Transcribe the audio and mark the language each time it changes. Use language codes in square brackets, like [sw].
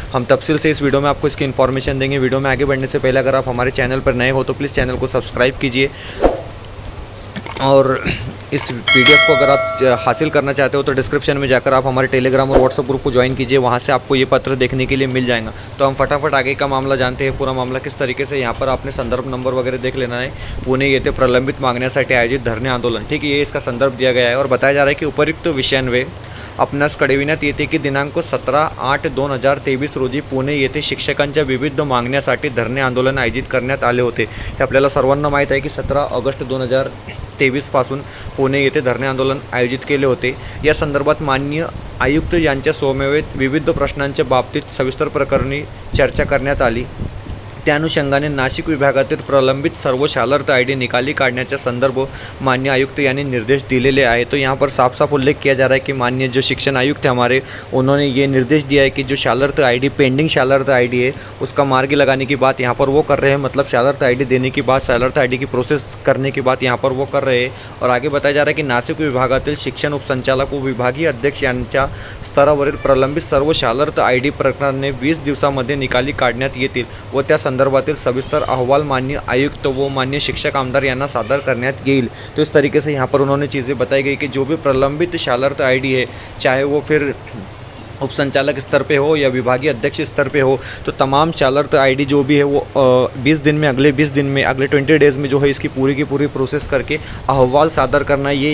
[hi] हम तफसील से इस वीडियो में आपको इसकी इन्फॉर्मेशन देंगे। वीडियो में आगे बढ़ने से पहले अगर आप हमारे चैनल पर नए हो तो प्लीज़ चैनल को सब्सक्राइब कीजिए और इस पीडीएफ को अगर आप हासिल करना चाहते हो तो डिस्क्रिप्शन में जाकर आप हमारे टेलीग्राम और व्हाट्सएप ग्रुप को ज्वाइन कीजिए, वहाँ से आपको ये पत्र देखने के लिए मिल जाएगा। तो हम फटाफट आगे का मामला जानते हैं, पूरा मामला किस तरीके से। यहाँ पर आपने संदर्भ नंबर वगैरह देख लेना है, पुणे ये थे प्रलंबित मांगनेसाठी आयोजित धरने आंदोलन, ठीक है, ये इसका संदर्भ दिया गया है। और बताया जा रहा है कि [mr] उपर्युक्त विषयन्वय अपनास कळविण्यात येते की दिनांक 17-8-2023 रोजी पुणे येथे शिक्षकांच्या विविध मागण्यांसाठी धरणे आंदोलन आयोजित करण्यात आले होते। हे आपल्याला सर्वांना माहित आहे की 17 ऑगस्ट 2023 पासून पुणे येथे धरणे आंदोलन आयोजित केले होते। या संदर्भात माननीय आयुक्त यांच्या समवेत विविध प्रश्नांच्या बाबतीत सविस्तर प्रकरणी चर्चा करण्यात आली। त्यानुषंगाने नाशिक विभागातील प्रलंबित सर्व शालर्त आयडी निकाली काढण्याच्या संदर्भ माननीय आयुक्त यांनी निर्देश दिलेले आहे। [hi] तो यहाँ पर साफ साफ उल्लेख किया जा रहा है कि माननीय जो शिक्षण आयुक्त हमारे उन्होंने ये निर्देश दिया है कि जो शालर्त आयडी पेंडिंग शालर्त आयडी है उसका मार्ग लगाने की बात यहाँ पर वो कर रहे हैं। मतलब शालर्त आयडी देने की बात, शालर्त आयडी की प्रोसेस करने की बात यहाँ पर वो कर रहे हैं। और आगे बताया जा रहा है कि [mr] नाशिक विभागातील शिक्षण उपसंचालक व विभागीय अध्यक्ष यांच्या स्तरावरील प्रलंबित सर्व शालर्त आयडी प्रकरणाने 20 दिवसांमध्ये निकाली काढण्यात येतील व त्या संदर्भातील सविस्तर अहवाल माननीय आयुक्त व माननीय शिक्षक आमदार यांना सादर करण्यात येईल। [hi] तो इस तरीके से यहाँ पर उन्होंने चीज़ें बताई गई कि जो भी प्रलंबित शालर्त आईडी है, चाहे वो फिर उपसंचालक स्तर पे हो या विभागीय अध्यक्ष स्तर पे हो, तो तमाम शालर्त आईडी जो भी है वो 20 डेज में जो है इसकी पूरी की पूरी प्रोसेस करके अहवाल सादर करना है।